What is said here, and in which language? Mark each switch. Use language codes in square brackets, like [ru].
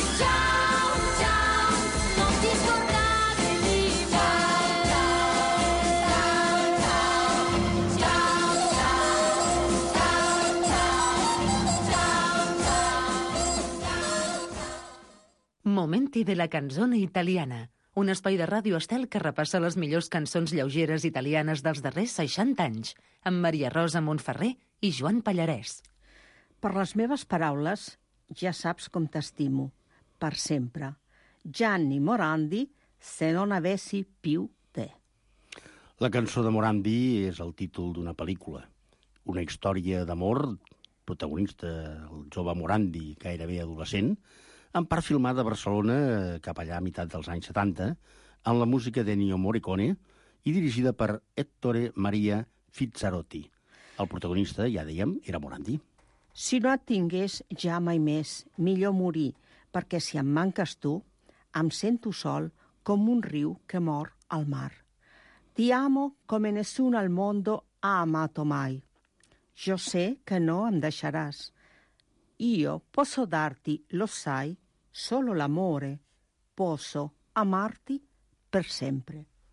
[it] Ciao, ciao, non ti scordare di me. Ciao, ciao, ciao, ciao, ciao, ciao, ciao, ciao, ciao, ciao. Momenti della canzone italiana. [ca] Un espai de Ràdio Estel que repassa les millors cançons lleugeres italianes dels darrers 60 anys, amb Maria Rosa Montferrer i Joan Pallarès. Per les meves paraules, ja saps com t'estimo, per sempre. [it] Gianni Morandi, se non avessi più te. [ca] La cançó de Morandi és el títol d'una pel·lícula. Una història d'amor, protagonista, el jove Morandi, gairebé adolescent, en part filmada a Barcelona, cap allà a meitat dels anys 70, amb la música d'Ennio Morricone i dirigida per Ettore Maria Fizzarotti. El protagonista, ja dèiem, era Morandi. Si no et tingués ja mai més, millor morir, perquè si em manques tu, em sento sol com un riu que mor al mar. [it] Ti amo come nessun al mondo ha amato mai. [ca] Jo sé que no em deixaràs. [it] Io posso darti, lo sai, solo l'amore. Posso amarti per sempre.